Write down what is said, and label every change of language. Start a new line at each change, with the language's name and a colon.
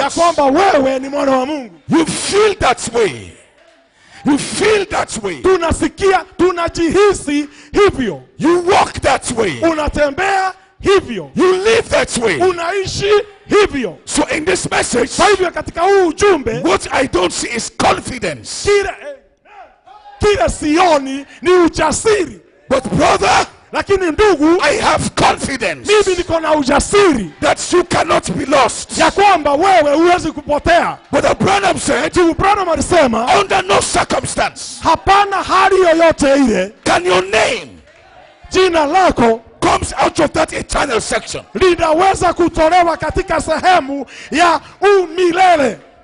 Swahili: Ya kwamba wewe ni mwana wa Mungu.
English: You feel that way. You feel that way.
Swahili: Tunasikia, tunajihisi hivyo.
English: You walk that way.
Swahili: Unatembea hivyo.
English: You live that way.
Swahili: Unaishi hivyo.
English: So in this message,
Swahili: kwa hivyo katika huu ujumbe,
English: what I don't see is confidence.
Swahili: Kila sioni ni ujasiri.
English: But brother,
Swahili: lakini ndugu,
English: I have confidence.
Swahili: Mimi niko na ujasiri
English: that you cannot be lost.
Swahili: Ya kwamba wewe huwezi kupotea.
English: But the Branham said,
Swahili: you Branham alisema,
English: under no circumstance.
Swahili: Hapana hali yoyote ile.
English: Can your name,
Swahili: jina lako,
English: comes out of that eternal section.
Swahili: Linaweza kutolewa katika sehemu ya umilele.